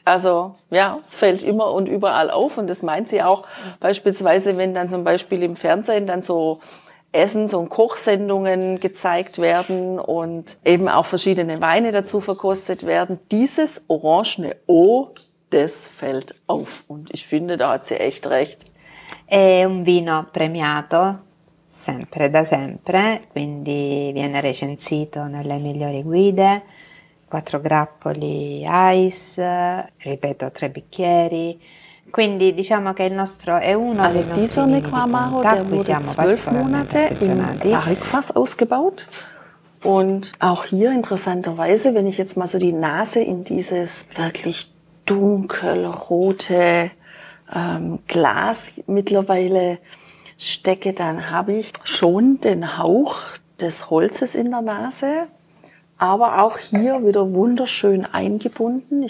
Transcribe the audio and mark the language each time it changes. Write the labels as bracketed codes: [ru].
[de] Also ja, es fällt immer und überall auf. Und das meint sie auch beispielsweise, wenn dann zum Beispiel im Fernsehen dann so Essens- und Kochsendungen gezeigt werden und eben auch verschiedene Weine dazu verkostet werden. Dieses orangene O, das fällt auf. Und ich finde, da hat sie echt recht. [it] È un vino premiato. Sempre da sempre, quindi viene recensito nelle migliori guide, 4 grappoli ice, ripeto 3 bicchieri, quindi diciamo che il nostro è uno dei nostri vini di punta, qui siamo particolarmente affezionati. [de] In Barrique-Fass ausgebaut. Und auch hier interessanterweise, wenn ich jetzt mal so die Nase in dieses wirklich dunkelrote Glas mittlerweile stecke, dann habe ich schon den Hauch des Holzes in der Nase, aber auch hier wieder wunderschön eingebunden.